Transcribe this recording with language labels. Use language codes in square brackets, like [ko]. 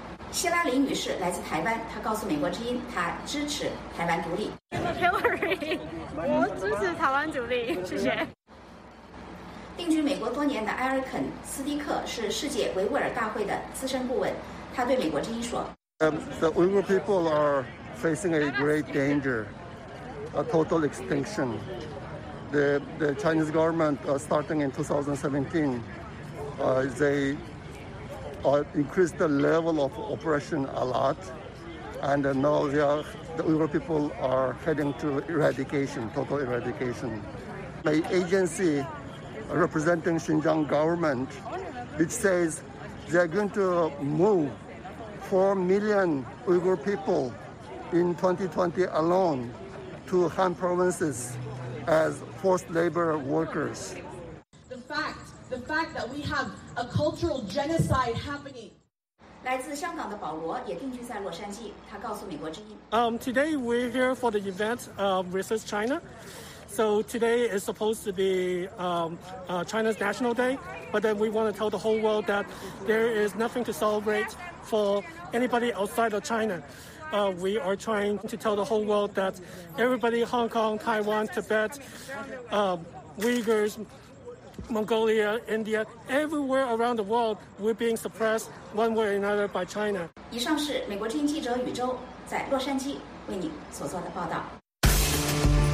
[zh] 希拉里女士来自台湾，她告诉美国之音，她支持台湾独立。 Hillary， 我支持台湾独立，谢谢。定居美国多年的埃尔肯·斯蒂克是世界维吾尔大会的资深顾问，他对美国之音说 [en] ：“The Uyghur people are facing a great danger, a total extinction. The Chinese government, starting in 2017, they.” Increased the level of oppression a lot, and now the Uyghur people are heading to eradication, total eradication. My agency representing Xinjiang government, which says they are going to move 4 million Uyghur people in 2020 alone to Han provinces as forced labor workers. The fact that we have. A cultural genocide happening. [zh] 来自香港的保罗也定居在洛杉矶，他告诉美国之音。 [en] Today we're here for the event versus China. So today is supposed to be China's National Day, but then we want to tell the whole world that there is nothing to celebrate for anybody outside of China. We are trying to tell the whole world that everybody, Hong Kong, Taiwan, Tibet, Uyghurs, Mongolia, India, everywhere around the world, we're being suppressed one way or another by China. [zh] 以上是美国之音记者宇宙在洛杉矶为你所做的报道。